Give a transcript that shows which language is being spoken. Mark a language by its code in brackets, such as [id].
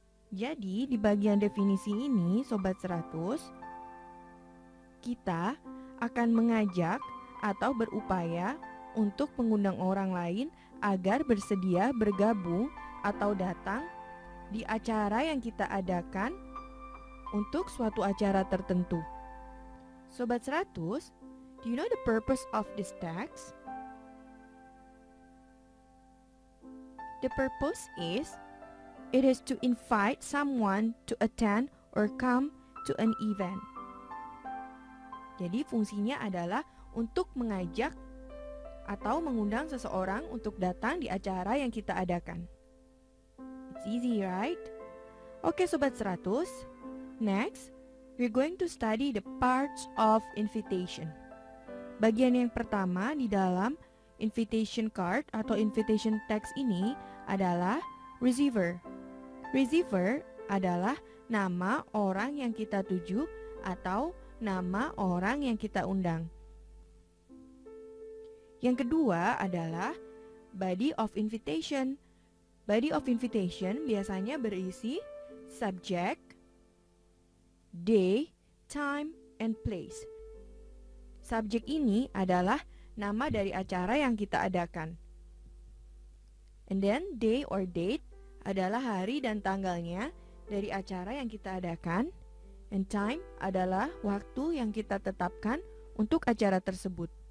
[id] Jadi, di bagian definisi ini, Sobat 100, kita akan mengajak atau berupaya untuk mengundang orang lain agar bersedia bergabung atau datang di acara yang kita adakan untuk suatu acara tertentu. [en] Sobat 100, do you know the purpose of this text? The purpose is, it is to invite someone to attend or come to an event. [id] Jadi fungsinya adalah untuk mengajak atau mengundang seseorang untuk datang di acara yang kita adakan. [en] It's easy, right? Okay, Sobat 100. Next, we're going to study the parts of invitation. [id] Bagian yang pertama di dalam invitation card atau invitation text ini adalah receiver. Receiver adalah nama orang yang kita tuju atau nama orang yang kita undang. Yang kedua adalah body of invitation. [en] Body of invitation [id] biasanya berisi [en] subject, day, time, and place. [id] Subject ini adalah nama dari acara yang kita adakan. [en] And then day or date [id] adalah hari dan tanggalnya dari acara yang kita adakan. [en] And time [id] adalah waktu yang kita tetapkan untuk acara tersebut.